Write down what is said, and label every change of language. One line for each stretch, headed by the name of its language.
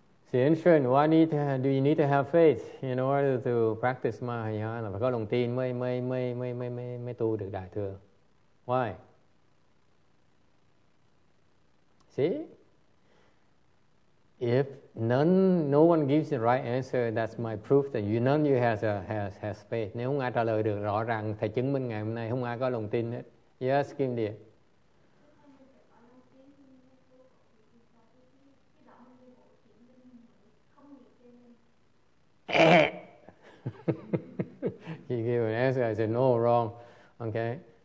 English: The answer: why need to, do you need to have faith in order to practice Mahayana?
Vietnamese: Phải có lòng tin mới tu được đại thừa.
English: Why? See, if no one gives the right answer, that's my proof that none of you has faith.
Vietnamese: Nếu không ai trả lời được rõ ràng, thầy chứng minh ngày hôm nay không ai có lòng tin hết.
English: Yes, Kim Dia. He gave an answer. I said, no, wrong. Okay.